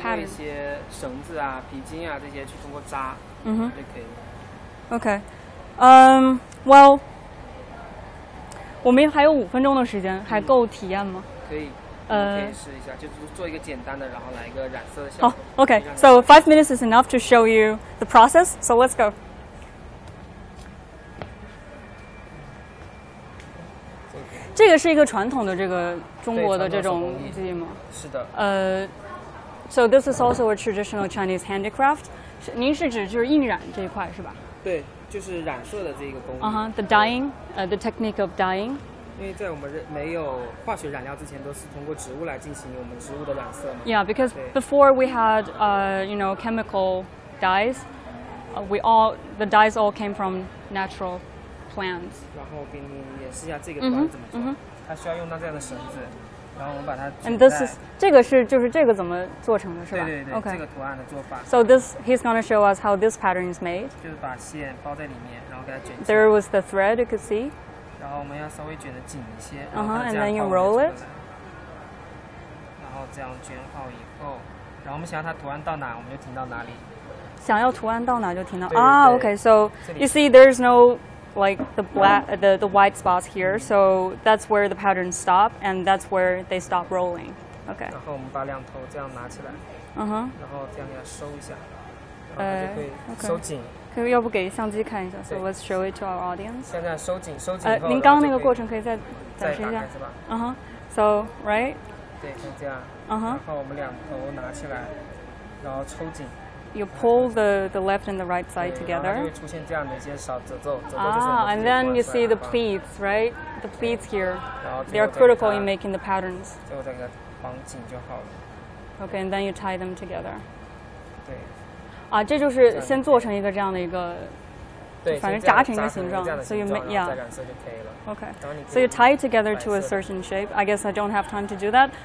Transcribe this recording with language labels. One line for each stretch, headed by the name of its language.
Chinese: 通过一些绳子啊、皮筋啊这些去通过扎，就可以了。
English: OK， well，
Chinese: 我们还有五分钟的时间，还够体验吗？可以，可以试一下，就做一个简单的，然后来一个染色的效果。好
English: ，OK， so 5 minutes is enough to show you the process. So let's go.
Chinese: 这个是一个传统的这个中国的这种技艺吗？是的。
English: So this is also a traditional Chinese handicraft.
Chinese: 您是指就是印染这一块是吧？对，就是染色的这个工艺。
English: The dyeing, the technique of dyeing.
Chinese: 因为在我们没有化学染料之前，都是通过植物来进行我们植物的染色嘛。
English: Yeah, because before we had, you know, chemical dyes, the dyes all came from natural. Plans.
Chinese: 然后给你演示一下这个图案怎么做。它需要用到这样的绳子，然后我们把它。
English: And this is
Chinese: 这个是就是这个怎么做成的是吧？对对对，
English: okay.
Chinese: 这个图案的做法。
English: So this he's gonna show us how this pattern is made.
Chinese: 就是把线包在里面，然后给它卷起来。
English: There was the thread you could see.
Chinese: 然后我们要稍微卷的紧一些，然后
English: and then you roll it.
Chinese: 然后这样卷好以后，然后我们想要它图案到哪，我们就停到哪里。想要图案到哪就停到对对对
English: 啊 ，OK. So you see there's no. Like the white spots here, so that's where the patterns stop, and that's where they stop rolling. Okay.
Chinese: 然后我们把两头这样拿起来。然后这样给它收一下，然后它就会收紧。可以，要不给相机看一下 ？
English: So let's show it to our audience.
Chinese: 现在收紧，收紧后。您刚那个过程可以再展示一下。
English: So right.
Chinese: 对，就这样。然后我们两头拿起来，然后抽紧。
English: You pull the left and the right side together.
Chinese: 就会出现这样的一些小褶皱，褶皱就是。
English: And then you see the pleats, right? The pleats here. They are critical in making the patterns.
Chinese: 最后再给它绑紧就好了。
English: Okay, and then you tie them together.
Chinese: 对。啊，这就是先做成一个这样的一个，对，反正扎成一个形状，所以
English: yeah.
Chinese: 再染色就可以了。
English: Okay. So you tie it together to a certain shape. I guess I don't have time to do that.